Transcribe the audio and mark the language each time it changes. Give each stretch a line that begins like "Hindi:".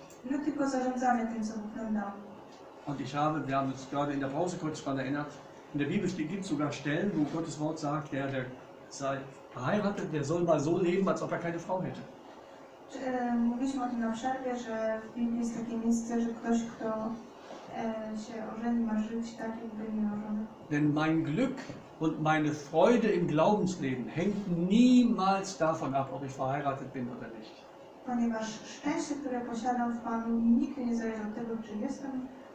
German: Nur
Polish: tylko zarządzamy tym, co Bóg nam dał.
German: Und ich habe, wir haben uns gerade in der Pause kurz daran erinnert, in der Bibel gibt es sogar Stellen, wo Gottes Wort sagt, der sei verheiratet, der soll mal so leben, als ob er keine Frau hätte.
Polish: Mówiliśmy o tym na przerwie, że w Biblii jest takie miejsce, że ktoś, kto się ożeni, ma żyć tak, jakby nie ożony.
German: Denn mein Glück und meine Freude im Glaubensleben hängt niemals davon ab, ob ich verheiratet bin oder nicht.
Polish: Ponieważ szczęście, które posiadam w Panu, nigdy nie zależy od tego, czy jestem